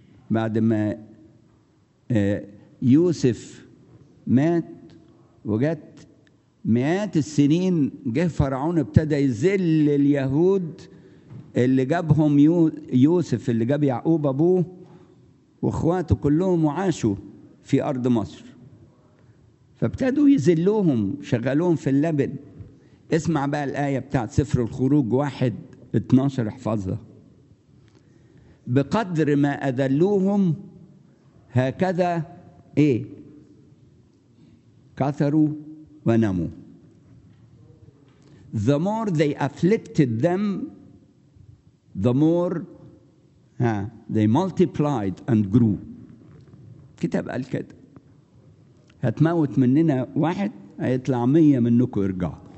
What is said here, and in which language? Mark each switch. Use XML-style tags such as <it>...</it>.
<ar>بعد ما يوسف مات وجت مئات السنين، جه فرعون ابتدى يذل اليهود اللي جابهم يوسف اللي جاب يعقوب ابوه واخواته كلهم وعاشوا في ارض مصر، فابتدوا يذلوهم شغلوهم في اللبن. اسمع بقى الايه بتاعت سفر الخروج 1:12 احفظها. بقدر ما أذلوهم هكذا إيه؟ كثروا ونموا.</ar> <en>The more they afflicted them, the more they multiplied and grew.</en> <ar>كتاب قال كده. هتموت مننا واحد هيطلع 100 منكم يرجع.</ar>